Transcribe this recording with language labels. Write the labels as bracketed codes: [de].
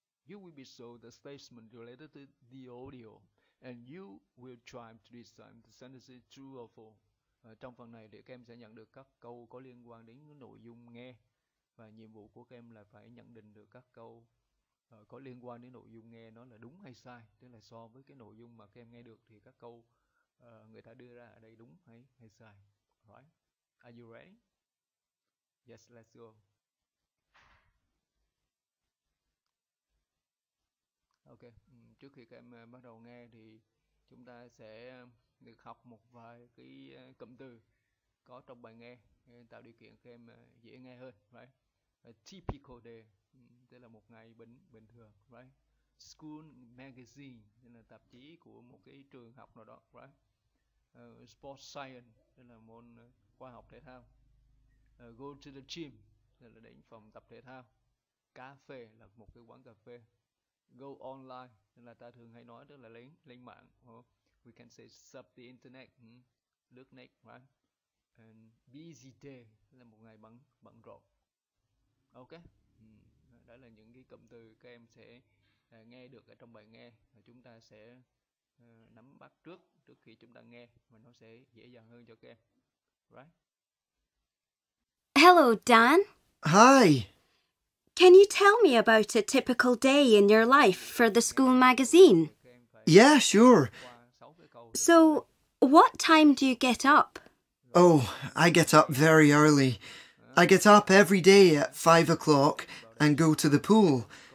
[en] You will be shown the statement related to the audio and you will try to decide the sentence true or false. [vi] Trong phần này thì các em sẽ nhận được các câu có liên quan đến nội dung nghe và nhiệm vụ của các em là phải nhận định được các câu có liên quan đến nội dung nghe nó là đúng hay sai, tức là so với cái nội dung mà các em nghe được thì các câu người ta đưa ra ở đây đúng hay sai. [en] Right? Are you ready? Yes, let's go. [vi] Ok, trước khi các em bắt đầu nghe thì chúng ta sẽ được học một vài cái cụm từ có trong bài nghe tạo điều kiện các em dễ nghe hơn. [en] Right? A typical day. [vi] Đây là một ngày bình thường, [en] right? School magazine, [vi] đây là tạp chí của một cái trường học nào đó, [en] right? Sports science, [vi] đây là môn khoa học thể thao. [en] Go to the gym, [vi] đây là đến phòng tập thể thao. Cà phê là một cái quán cà phê. [en] Go online, [vi] đây là ta thường hay nói, tức là lên mạng. [en] we can say surf the internet, [vi] lướt net, [en] right? And busy day [vi] là một ngày bận rộn. Ok, đó là những cái cụm từ các em sẽ nghe được ở trong bài nghe, và chúng ta sẽ nắm bắt trước khi chúng ta nghe, và nó sẽ dễ dàng hơn cho các em. [en] Right? Hello, Dan. Hi. Can you tell me about a typical day in your life for the school magazine? Yeah, sure. So, what time do you get up? Oh, I get up very early. I get up every day at 5 o'clock and go to the pool.